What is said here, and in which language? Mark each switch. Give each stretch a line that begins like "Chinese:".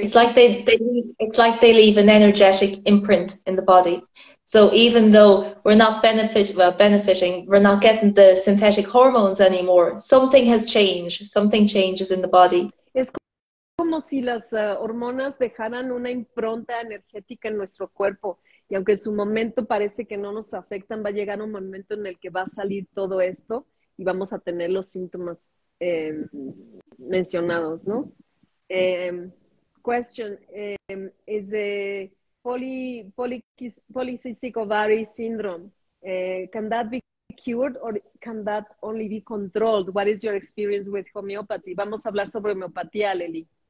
English: It's like they leave an energetic imprint in the body. So even though we're not benefiting, we're not getting the synthetic hormones anymore, something has changed. Something changes in the body.
Spanish: Como si las hormonas dejaran una impronta energética en nuestro cuerpo y aunque en su momento parece que no nos afectan, va a llegar un momento en el que va a salir todo esto y vamos a tener los síntomas mencionados, ¿no?
English: Question, is the polycystic ovary syndrome, can that be cured or can that only be controlled? What is your experience with homeopathy?
Spanish: Vamos a hablar sobre homeopatía,
English: Leli.